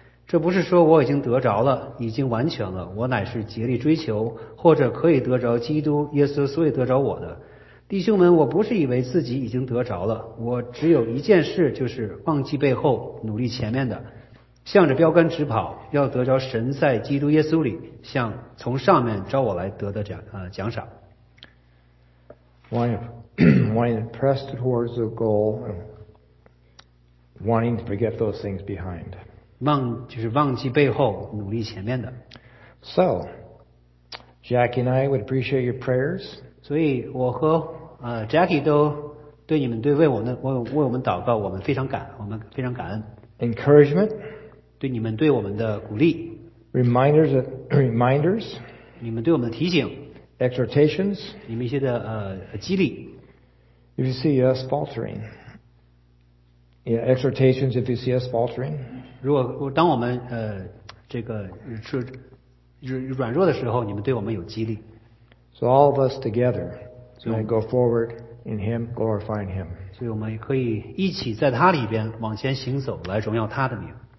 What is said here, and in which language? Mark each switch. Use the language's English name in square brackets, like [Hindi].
[Chinese] 这不是说我已经得着了，已经完全了，我乃是竭力追求，或者可以得着基督耶稣所以得着我的。弟兄们，我不是以为自己已经得着了，我只有一件事，就是忘记背后，努力前面的，向着标杆直跑，要得着神在基督耶稣里向从上面召我来得的奖赏。 [English] wanting to press towards the goal, wanting to forget those things behind. [Chinese] 就是忘记背后，努力前面的。 [English] So, Jackie and I would appreciate your prayers. [Chinese] 所以我和Jackie 都对你们对为我们祷告，我们非常感恩。 [English] Encouragement. [Chinese] 对你们对我们的鼓励 [English] reminders [Chinese] 你们对我们的提醒 [English] exhortations [Chinese] 你们一些的激励 [English] if you see us faltering yeah, exhortations if you see us faltering [Chinese] 如果当我们这个软弱的时候你们对我们有激励 [English] so all of us together can go forward in him glorifying him [Chinese] 所以我们可以一起在他里边往前行走来荣耀他的名